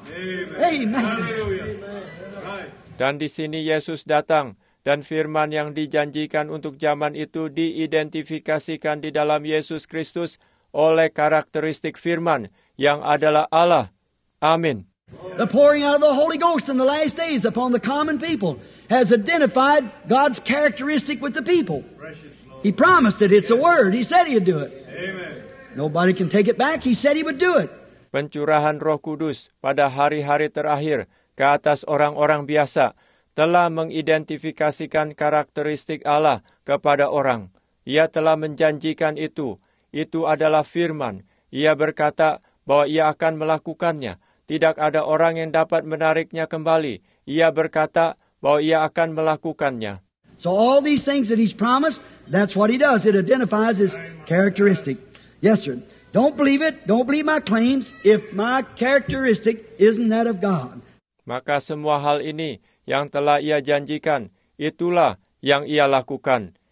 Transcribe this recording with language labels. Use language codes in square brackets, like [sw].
[en] Amen. Amen. Amen. [id] Dan di sini Yesus datang dan firman yang dijanjikan untuk zaman itu diidentifikasikan di dalam Yesus Kristus oleh karakteristik firman yang adalah Allah. Amin. [en] The pouring out of the Holy Ghost in the last days upon the common people has identified God's characteristic with the people. He promised it. It's a word. He said He'd do it. Amen. Nobody can take it back. He said He would do it. [id] Pencurahan Roh Kudus pada hari-hari terakhir ke atas orang-orang biasa telah mengidentifikasikan karakteristik Allah kepada orang. Ia telah menjanjikan itu. Itu adalah firman. Ia berkata bahwa ia akan melakukannya. Tidak ada orang yang dapat menariknya kembali. Ia berkata bahwa ia akan melakukannya. [en] So all these things that he's promised, that's what he does. It identifies his characteristic. Yes, sir. Don't believe it. Don't believe my claims if my characteristic isn't that of God. [id] Maka semua hal ini yang telah ia janjikan, itulah yang ia lakukan.